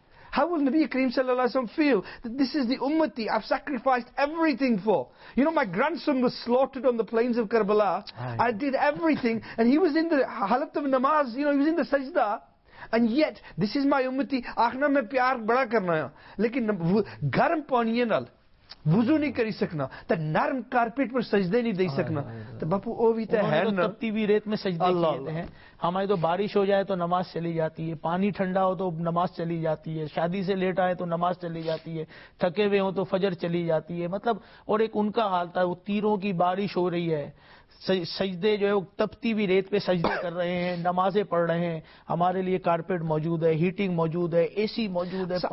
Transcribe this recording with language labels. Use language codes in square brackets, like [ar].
[en] How will Nabi Kareem sallallahu alaihi wasallam feel that this is the ummati I've sacrificed everything for? You know, my grandson was slaughtered on the plains of Karbala. I did everything and he was in the halat of namaz, you know, he was in the sajda. And yet, this is my ummati. [pa] آخنا میں پیار بڑا کرنا ہے لیکن گرم پانی نال وضو نہیں کری سکنا تے نرم کارپیٹ پر سجدے نہیں دے سکنا تے باپو او بھی تے ہے نا [ur] تپتی ہوئی ریت میں سجدے کیے ہیں ہماری تو بارش ہو جائے تو نماز چلی جاتی ہے پانی ٹھنڈا ہو تو نماز چلی جاتی ہے شادی سے لیٹ آئے تو نماز چلی جاتی ہے تھکے ہوئے ہوں تو فجر چلی جاتی ہے مطلب اور ایک ان کا حال تھا وہ تیروں کی بارش ہو رہی ہے سجدے جو ہے وہ تپتی ہوئی ریت پہ سجدے کر رہے ہیں نمازیں پڑھ رہے ہیں ہمارے لیے کارپیٹ موجود ہے ہیٹنگ موجود ہے اے سی موجود ہے